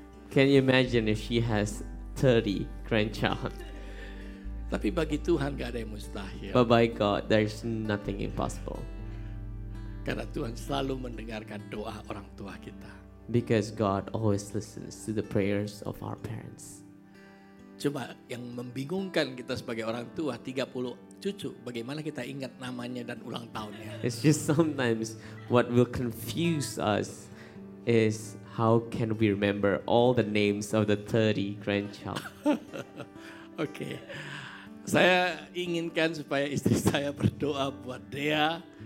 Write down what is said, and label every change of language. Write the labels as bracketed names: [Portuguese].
[English] Can you imagine if she has 30 grandchildren? [Indonesian] Tapi bagi Tuhan gak ada yang mustahil. [English] But by God, there's nothing impossible. [Indonesian] Karena Tuhan selalu mendengarkan doa orang tua kita. [English] Because God always listens to the prayers of our parents. [Indonesian] Cuma yang membingungkan kita sebagai orang tua, 30 cucu, bagaimana kita ingat namanya dan ulang tahunnya. [English] It's just sometimes what will confuse us is how can we remember all the names of the 30 grandchild. [Indonesian] Okay. Saya inginkan supaya istri saya berdoa buat Dea.